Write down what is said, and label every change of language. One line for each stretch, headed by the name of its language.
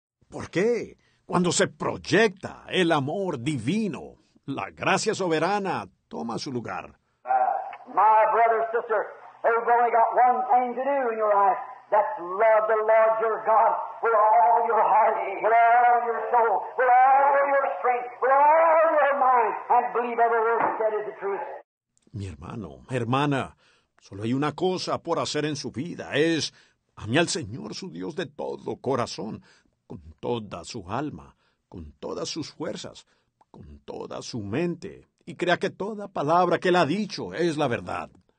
Spanish: ¿Por qué? Cuando se proyecta el amor divino, la gracia soberana toma su lugar.
English: My brother, sister, they've only got one thing to do in your life. That's love the Lord your God with all your heart, with all your soul, with all your strength, with all your mind, and believe every word he said is the truth.
Spanish: Mi hermano, hermana, solo hay una cosa por hacer en su vida, es amar al Señor, su Dios, de todo corazón, con toda su alma, con todas sus fuerzas, con toda su mente, y crea que toda palabra que Él ha dicho es la verdad.